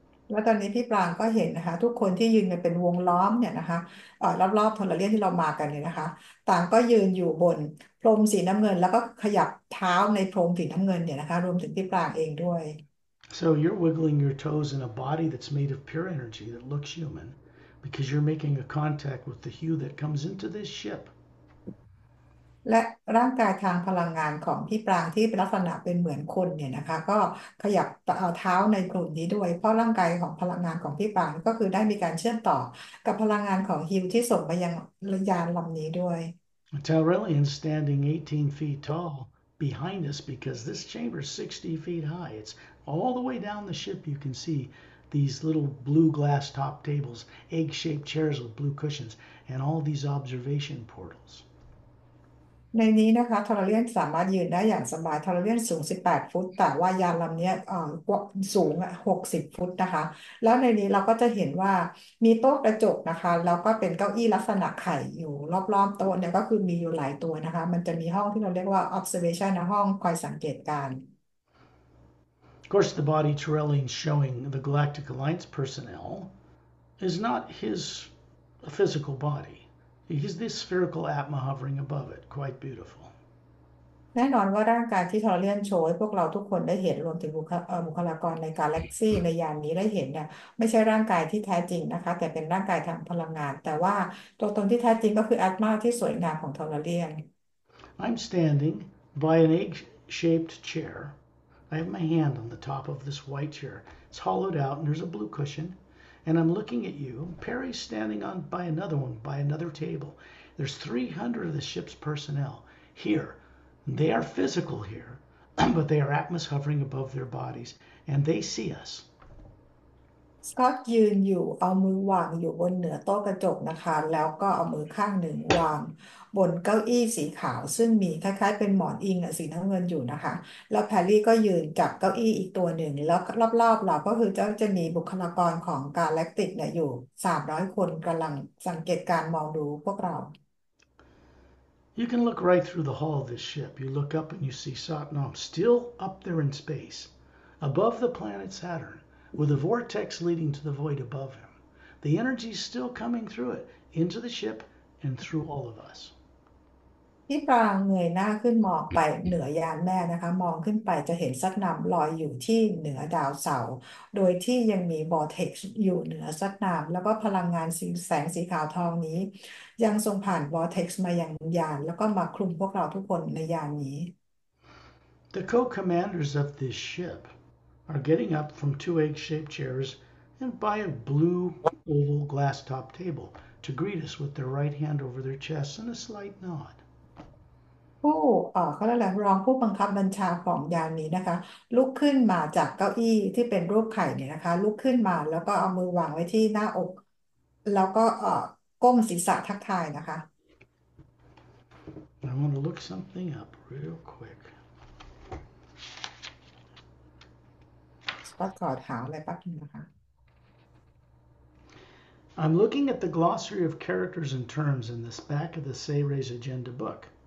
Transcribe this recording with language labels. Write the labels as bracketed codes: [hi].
[th] แล้วตอนนี้พี่ปรางก็เห็นนะคะทุกคนที่ยืนเป็นวงล้อมเนี่ยนะคะรอบๆโทรเรียนที่เรามากันเนี่ยนะคะต่างก็ยืนอยู่บนพรมสีน้ําเงินแล้วก็ขยับเท้าในพรมสีน้ําเงินเนี่ยนะคะรวมถึงพี่ปรางเองด้วย [en] So you're wiggling your toes in a body that's made of pure energy that looks human because you're making a contact with the hue that comes into this ship. [th] และร่างกายทางพลังงานของพี่ปรางที่เป็นลักษณะเป็นเหมือนคนเนี่ยนะคะก็ขยับเท้าในกลุ่มนี้ด้วยเพราะร่างกายของพลังงานของพี่ปรางก็คือได้มีการเชื่อมต่อกับพลังงานของฮิวที่ส่งไปยังยานลำนี้ด้วย [en] Tyrellian standing 18 feet tall behind us because this chamber is 60 feet high. It's all the way down the ship. You can see these little blue glass top tables, egg-shaped chairs with blue cushions, and all these observation portals. [th] ในนี้นะคะทอร์เรียนสามารถยืนได้อย่างสบายทอร์เรียนสูง18ฟุตแต่ว่ายานลำนี้สูง60ฟุตนะคะแล้วในนี้เราก็จะเห็นว่ามีโต๊ะกระจกนะคะแล้วก็เป็นเก้าอี้ลักษณะไข่อยู่รอบๆโต๊ะเนี่ยก็คือมีอยู่หลายตัวนะคะมันจะมีห้องที่เราเรียกว่า observation นะห้องคอยสังเกตการณ์ [en] Of course, the body Torellian showing the Galactic Alliance personnel is not his physical body. He's this spherical Atma hovering above it, quite beautiful. [th] แน่นอนว่าร่างกายที่ทอร์เรียนโชว์ให้พวกเราทุกคนได้เห็นรวมถึงบุคลากรในกาแล็กซี่ในยานนี้ได้เห็นเนี่ยไม่ใช่ร่างกายที่แท้จริงนะคะแต่เป็นร่างกายทางพลังงานแต่ว่าตัวตนที่แท้จริงก็คืออาตมาที่สวยงามของทอร์เรียน [en] I'm standing by an egg-shaped chair. I have my hand on the top of this white chair. It's hollowed out and there's a blue cushion. And I'm looking at you. Perry's standing on by another one, by another table. There's 300 of the ship's personnel here. They are physical here, but they are Atmos hovering above their bodies and they see us. [th] สก็อตยืนอยู่เอามือวางอยู่บนเหนือโต๊ะกระจกนะคะแล้วก็เอามือข้างหนึ่งวางบนเก้าอี้สีขาวซึ่งมีคล้ายๆเป็นหมอนอิงสีน้ำเงินอยู่นะคะแล้วแพรรี่ก็ยืนจับเก้าอี้อีกตัวหนึ่งแล้วรอบๆเราก็คือจะมีบุคลากรของกาแล็กติกเนี่ยอยู่300คนกำลังสังเกตการมองดูพวกเรา [en] You can look right through the hull of this ship. You look up and you see Satnam still up there in space, above the planet Saturn, with a vortex leading to the void above him. The energy is still coming through it, into the ship, and through all of us. [th] พี่ปรางเงยหน้าขึ้นมองไปเหนือยานแม่นะคะมองขึ้นไปจะเห็นซัดนำลอยอยู่ที่เหนือดาวเสาร์โดยที่ยังมีบอร์เท็กซ์อยู่เหนือซัดนำแล้วก็พลังงานสีแสงสีขาวทองนี้ยังส่งผ่านบอร์เท็กซ์มายังยานแล้วก็มาคลุมพวกเราทุกคนในยานนี้ [en] The co-commanders of this ship are getting up from two egg-shaped chairs and by a blue oval glass-top table to greet us with their right hand over their chest and a slight nod. [th] ผู้เขาเรียกอะไรรองผู้บังคับบัญชาของยานนี้นะคะลุกขึ้นมาจากเก้าอี้ที่เป็นรูปไข่เนี่ยนะคะลุกขึ้นมาแล้วก็เอามือวางไว้ที่หน้าอกแล้วก็ก้มศีรษะทักทายนะคะ [en] I want to look something up real quick. [th] สปอตขอถามอะไรแป๊บนึงนะคะ [en] I'm looking at the glossary of characters and terms in this back of the Seyre's agenda book.